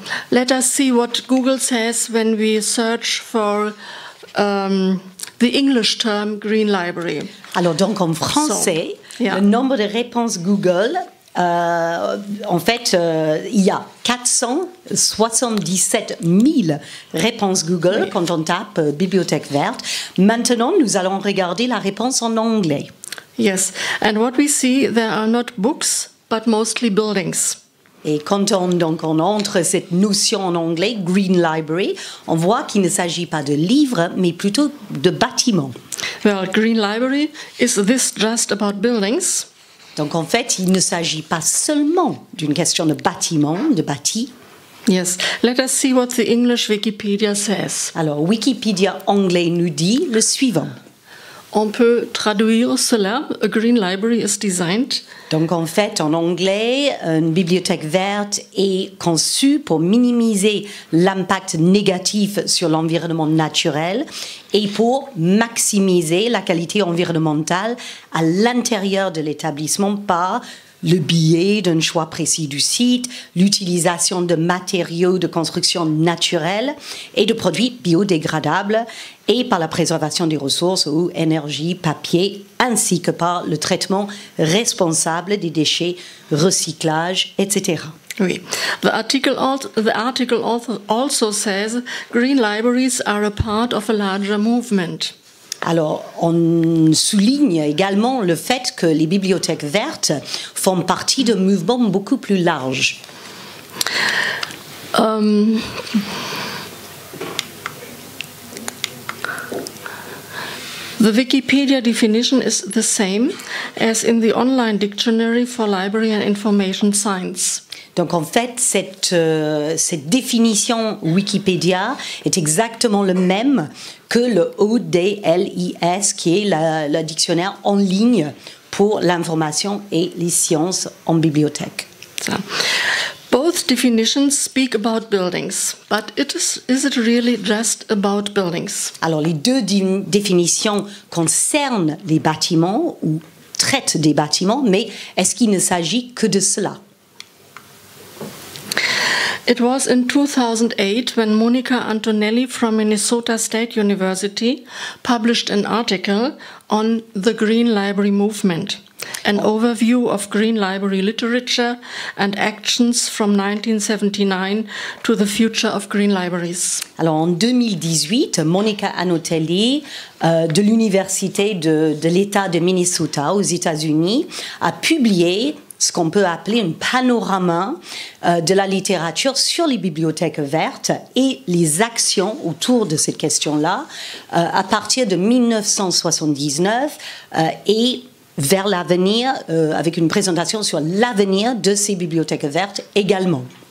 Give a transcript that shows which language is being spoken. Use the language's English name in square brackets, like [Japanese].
[English] let us see what Google says when we search for the English term green library. [French] Alors donc en français, [English] so, yeah. [French] Le nombre de réponses Google Il y a 477 000 réponses Google quand on tape bibliothèque verte. Maintenant, nous allons regarder la réponse en anglais. [English] Yes, and what we see, there are not books, but mostly buildings. [French] Et quand on entre cette notion en anglais, green library, on voit qu'il ne s'agit pas de livres, mais plutôt de bâtiments. [English] Well, green library, is this just about buildings? [French] Donc en fait, il ne s'agit pas seulement d'une question de bâtiment, de bâti. [English] Yes, let us see what the English Wikipedia says. [French] Alors, Wikipédia anglais nous dit le suivant. On peut traduire cela, [English] a green library is designed. [French] Donc en fait, en anglais, une bibliothèque verte est conçue pour minimiser l'impact négatif sur l'environnement naturel et pour maximiser la qualité environnementale à l'intérieur de l'établissement par le biais d'un choix précis du site, l'utilisation de matériaux de construction naturels et de produits biodégradables et par la préservation des ressources ou énergie, papier, ainsi que par le traitement responsable des déchets, recyclage, etc. Oui. [English] The article also says green libraries are a part of a larger movement. [French] Alors, on souligne également le fait que les bibliothèques vertes font partie d'un mouvement beaucoup plus large. [English] The Wikipedia definition is the same as in the online dictionary for library and information science. [French] Donc en fait, cette définition Wikipédia est exactement le même que le ODLIS, qui est le dictionnaire en ligne pour l'information et les sciences en bibliothèque. [English] So, both definitions speak about buildings, but is it really just about buildings? [French] Alors les deux définitions concernent les bâtiments ou traitent des bâtiments, mais est-ce qu'il ne s'agit que de cela? [English] It was in 2008 when Monica Antonelli from Minnesota State University published an article on the Green Library Movement, an overview of green library literature and actions from 1979 to the future of green libraries. [French] Alors en 2018, Monica Antonelli de l'Université de l'État de Minnesota aux États-Unis a publié ce qu'on peut appeler un panorama de la littérature sur les bibliothèques vertes et les actions autour de cette question-là à partir de 1979 et vers l'avenir, avec une présentation sur l'avenir de ces bibliothèques vertes également.